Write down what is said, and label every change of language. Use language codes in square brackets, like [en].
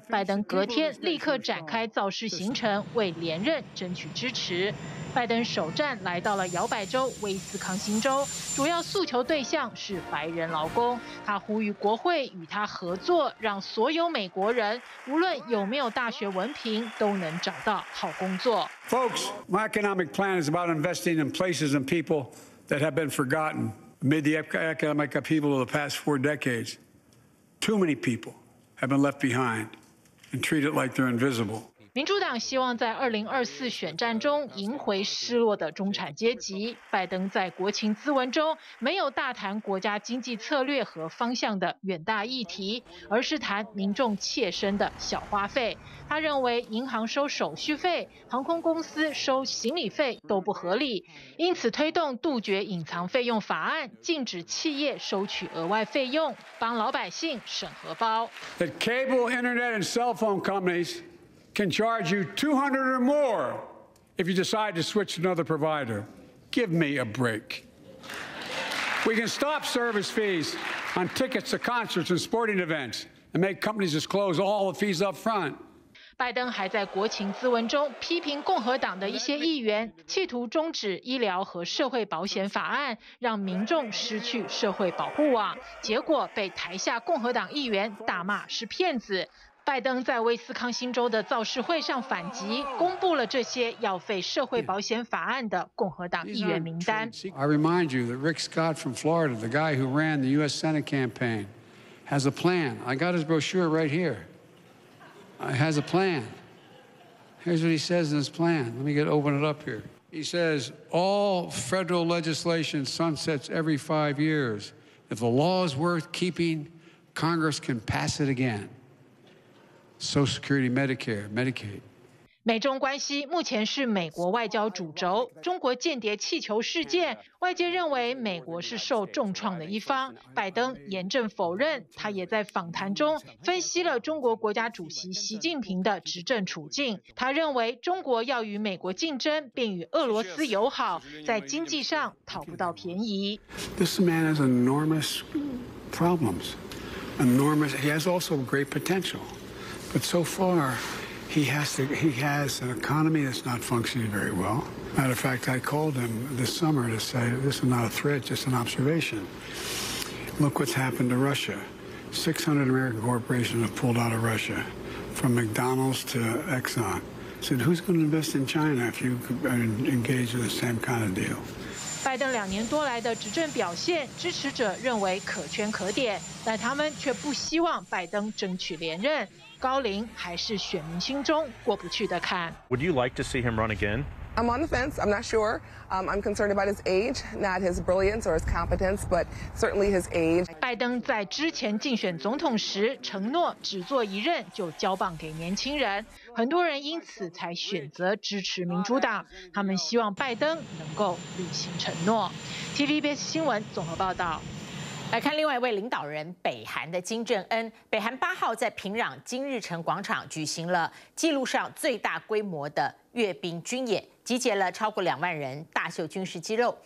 [zh] 拜登隔天立刻展开造势行程，为连任争取支持。拜登首站来到了摇摆州威斯康星州，主要诉求对象是白人劳工。他呼吁国会与他合作，让所有美国人无论有没有大学文凭都能找到好工作。 [en] Folks, my economic plan is about investing in places and people that have been forgotten. Amid the economic upheaval of the past four decades, too many people have been left behind and treated like they're invisible. [zh] 民主党希望在2024选战中赢回失落的中产阶级。拜登在国情咨文中没有大谈国家经济策略和方向的远大议题，而是谈民众切身的小花费。他认为银行收手续费、航空公司收行李费都不合理，因此推动杜绝隐藏费用法案，禁止企业收取额外费用，帮老百姓省荷包。 [en] The cable, internet, and cell phone companies can charge you $200 or more if you decide to switch to another provider. Give me a break. We can stop service fees on tickets to concerts and sporting events and make companies disclose all the fees up front. [zh] 拜登还在国情咨文中批评共和党的一些议员企图终止医疗和社会保险法案，让民众失去社会保护网，结果被台下共和党议员大骂是骗子。拜登在威斯康星州的造势会上反击，公布了这些要废社会保险法案的共和党议员名单。 [en] I remind you that Rick Scott from Florida, the guy who ran the U.S. Senate campaign, has a plan. I got his brochure right here. Has a plan. Here's what he says in his plan. Let me get open it up here. He says all federal legislation sunsets every 5 years. If the law is worth keeping, Congress can pass it again. Social Security, Medicare, Medicaid. [zh] 美中关系目前是美国外交主轴，中国间谍气球事件，外界认为美国是受重创的一方。拜登严正否认，他也在访谈中分析了中国国家主席习近平的执政处境。他认为中国要与美国竞争，并与俄罗斯友好，在经济上讨不到便宜。 [en] This man has enormous problems, enormous. He has also great potential, but so far. He has an economy that's not functioning very well. Matter of fact, I called him this summer to say, this is not a threat, just an observation. Look what's happened to Russia. 600 American corporations have pulled out of Russia, from McDonald's to Exxon. I said, who's going to invest in China if you engage in the same kind of deal? [zh] 拜登两年多来的执政表现，支持者认为可圈可点，但他们却不希望拜登争取连任。高龄还是选民心中过不去的坎。 [en] Would you like to see him run again? I'm on the fence. I'm not sure. I'm concerned about his age, not his brilliance or his competence, but certainly his age. [zh] 拜登在之前竞选总统时承诺只做一任就交棒给年轻人。很多人因此才选择支持民主党，他们希望拜登能够履行承诺。 TVBS 新闻综合报道。来看另外一位领导人，北韩的金正恩。北韩八号在平壤金日成广场举行了纪录上最大规模的阅兵军演，集结了超过20,000人，大秀军事肌肉。